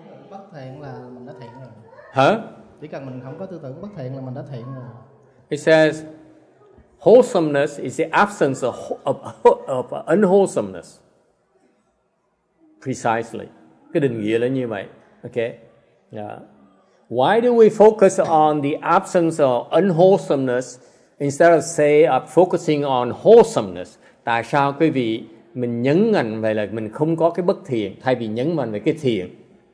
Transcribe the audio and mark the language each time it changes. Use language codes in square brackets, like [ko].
[vi] Bất thiện là mình đã thiện rồi. Huh? Chỉ cần mình không có tư tưởng bất thiện là mình đã thiện rồi. [en] It says, wholesomeness is the absence of unwholesomeness. Precisely. [vi] Cái định nghĩa là như vậy. [en] Okay. Yeah. Why do we focus on the absence of unwholesomeness instead of say of focusing on wholesomeness? [vi] Tại sao quý vị mình nhấn mạnh về là mình không có cái bất thiện thay vì nhấn mạnh về cái thiện?